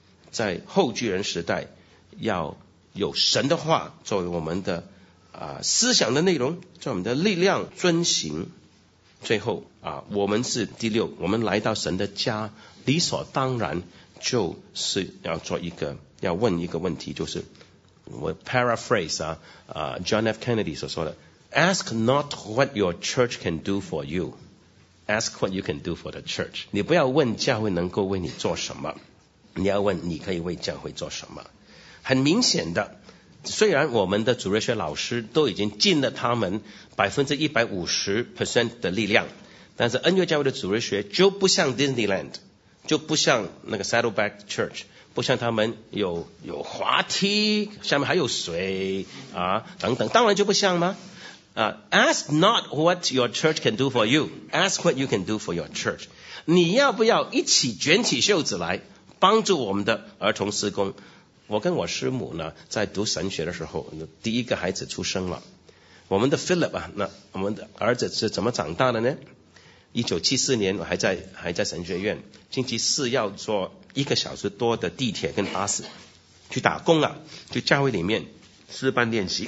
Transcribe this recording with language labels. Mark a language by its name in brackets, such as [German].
[Chinese] 在后巨人时代，要有神的话作为我们的啊思想的内容，作为我们的力量遵行。最后啊，我们是第六，我们来到神的家，理所当然就是要做一个，要问一个问题，就是我 paraphrase 啊 John F. Kennedy 所说的。 [English] Ask not what your church can do for you. Ask what you can do for the church. [Chinese] 你不要问教会能够为你做什么，你要问你可以为教会做什么。很明显的，虽然我们的主日学老师都已经尽了他们 150% 的力量，但是恩悦教会的主日学就不像 Disneyland， 就不像那个 Saddleback Church，不像他们有滑梯，下面还有水啊等等，当然就不像吗？ [English] Ask not what your church can do for you. Ask what you can do for your church. [Chinese] 你要不要一起卷起袖子来帮助我们的儿童施工？我跟我师母呢，在读神学的时候，第一个孩子出生了。我们的 Philip 啊，那我们的儿子是怎么长大的呢？ 1974年我还在神学院，星期四要坐一个小时多的地铁跟巴士去打工啊，去教会里面师班练习。